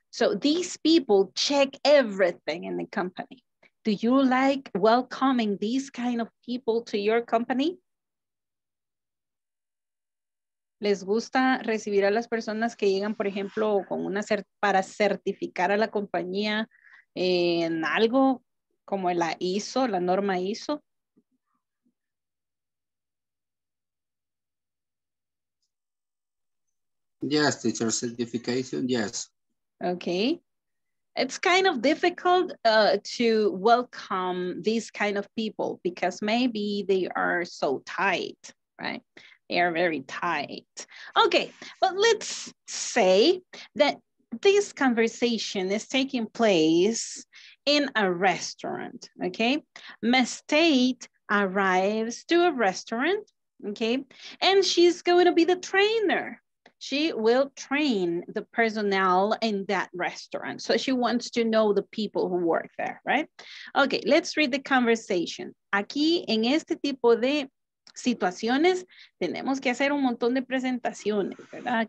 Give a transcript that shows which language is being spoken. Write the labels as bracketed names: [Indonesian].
[English] So these people check everything in the company. Do you like welcoming these kind of people to your company? [Spanish] ¿Les gusta recibir a las personas que llegan, por ejemplo, con una para certificar a la compañía en algo como la ISO, la norma ISO? [English] Yes, teacher, certification, yes. Okay. It's kind of difficult to welcome these kind of people because maybe they are so tight, right? They are very tight. Okay, but let's say that this conversation is taking place in a restaurant, okay? Miss Tate arrives to a restaurant, okay? And she's going to be the trainer. She will train the personnel in that restaurant. So she wants to know the people who work there, right? Okay, let's read the conversation. [Spanish] Aquí en este tipo de situaciones, tenemos que hacer un montón de presentaciones, ¿verdad?